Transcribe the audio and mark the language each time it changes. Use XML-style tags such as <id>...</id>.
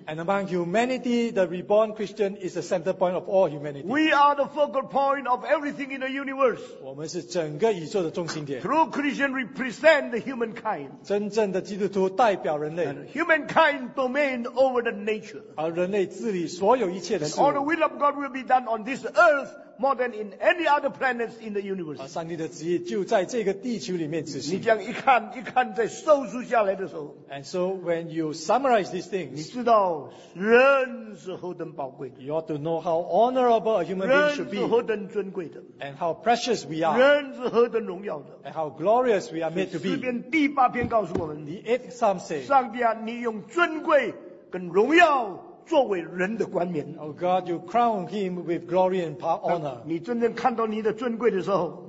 <en>and among humanity, the reborn Christian is the center point of all humanity. We are the focal point of everything in the universe.</en> <zh>我们是整个宇宙的中心点.</zh> <en>True Christian represent the humankind.</en> <zh>真正的基督徒代表人类.</zh> <en>And humankind domain over the nature.</en> <zh>而人类治理所有一切的事物.</zh> <en>All the will of God will be done on this earth more than in any other planets in the universe.</en> <zh>而上帝的旨意就在这个地球里面执行。你这样一看再收束下来的时候,</zh> <en>and so when you summarize these things,</en> <zh>你知道人是何等宝贵的,</zh> <en>you ought to know how honorable a human being should be,</en> <zh>人是何等尊贵的,</zh> <en>and how precious we are,</en> <zh>人是何等荣耀的,</zh> <en>and how glorious we are made to be.</en> <zh>诗篇第八篇告诉我们,</zh> <en>the 8th Psalm says,</en> <zh>上帝啊, 你用尊贵跟荣耀,</zh> <en>oh God, you crown him with glory and honor.</en> <zh>你真正看到你的尊贵的时候,</zh>